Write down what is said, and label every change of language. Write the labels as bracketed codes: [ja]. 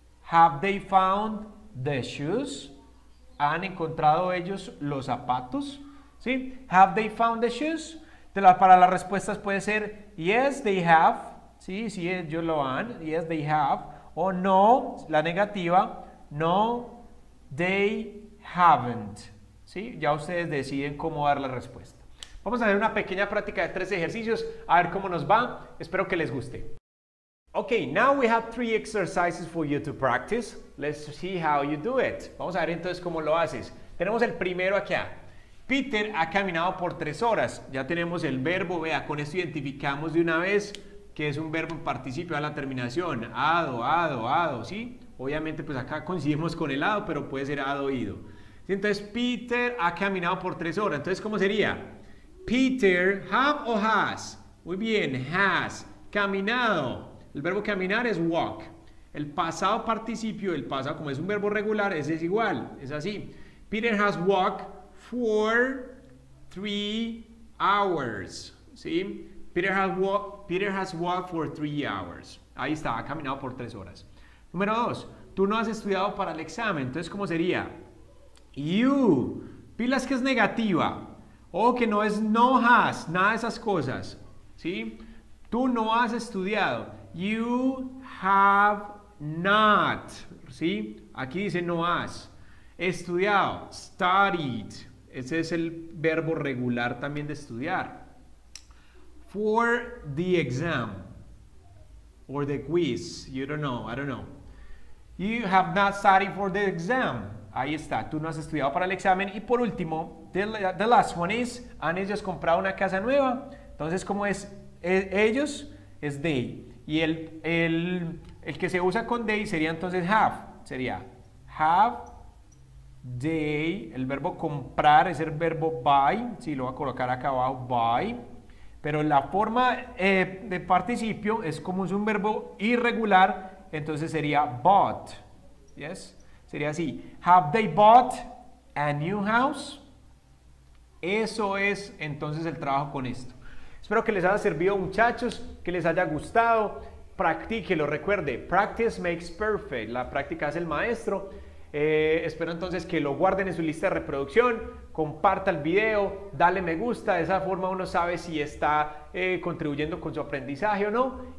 [en] Have they found the shoes? [es] ¿Han encontrado ellos los zapatos? ¿Sí? [en] Have they found the shoes? [es] Para las respuestas puede ser [en] yes, they have. [es] Sí, ellos lo han. [en] Yes, they have. [es] O no, la negativa. [en] No, they haven't. [es] ¿Sí? Ya ustedes deciden cómo dar la respuesta. Vamos a hacer una pequeña práctica de tres ejercicios, a ver cómo nos va. Espero que les guste. [en] Ok, now we have three exercises for you to practice. Let's see how you do it. [es] Vamos a ver entonces cómo lo haces. Tenemos el primero aquí. Peter ha caminado por 3 horas. Ya tenemos el verbo, vea, con esto identificamos de una vez que es un verbo en participio a la terminación. Ado, ado, ado, ¿sí? Obviamente, pues acá coincidimos con el ado, pero puede ser ado, ido. ¿Sí? Entonces, Peter ha caminado por 3 horas. Entonces, ¿cómo sería? Peter, have o has. Muy bien, has caminado. El verbo caminar es walk. El pasado participio, el pasado, como es un verbo regular, ese es igual. Es así. [en] Peter has walked for 3 hours. ¿Sí? Peter has walked for 3 hours. [es] Ahí está, ha caminado por 3 horas. Número dos, tú no has estudiado para el examen. Entonces, ¿cómo sería? You. Pilas que es negativa. O que no es no has, nada de esas cosas. ¿Sí? Tú no has estudiado. [en] You have not, [es] ¿sí? Aquí dice no has estudiado, studied. Ese es el verbo regular también de estudiar. [en] For the exam or the quiz, you don't know, I don't know. You have not studied for the exam. [es] Ahí está, tú no has estudiado para el examen. Y por último, [en] the last one is, [es] ¿han ellos comprado una casa nueva? Entonces, ¿cómo es ellos? Es they. Y el que se usa con they sería entonces have. Sería have they. El verbo comprar es el verbo buy. Sí, lo voy a colocar acá abajo, buy. Pero la forma de participio es como es un verbo irregular. Entonces sería bought. ¿Yes? Sería así. [en] Have they bought a new house? [es] Eso es entonces el trabajo con esto. Espero que les haya servido, muchachos, que les haya gustado. Practíquelo, recuerde, [en] practice makes perfect, [es] la práctica es el maestro. Espero entonces que lo guarden en su lista de reproducción, comparta el video, dale me gusta, de esa forma uno sabe si está contribuyendo con su aprendizaje o no.